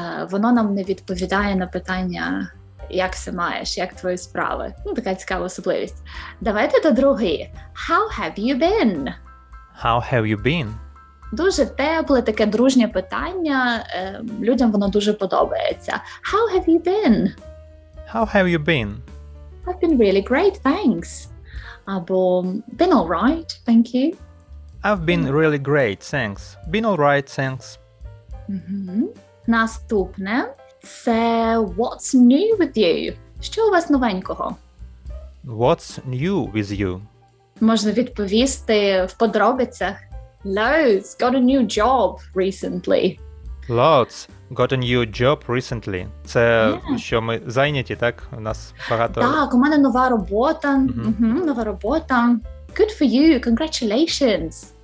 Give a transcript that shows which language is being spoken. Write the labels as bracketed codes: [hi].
[uk] Воно нам не відповідає на питання як все маєш, як твої справи. Ну, така цікава особливість. Давайте до другої. [en] How have you been? How have you been? [uk] Дуже тепле, таке дружнє питання. Людям воно дуже подобається. [en] How have you been? How have you been? I've been really great, thanks. Або been all right, thank you. I've been really great, thanks. Been all right, thanks. [uk] Mm-hmm. Наступне. [en] Це what's new with you? [uk] Що у вас новенького? [en] What's new with you? [uk] Можна відповісти в подробицях. [en] Loads got a new job recently. Loads got a new job recently. [uk] Це що ми зайняті, так? У нас багато... Так, у мене нова робота. Mm-hmm. Угу, нова робота. [en] Good for you, congratulations.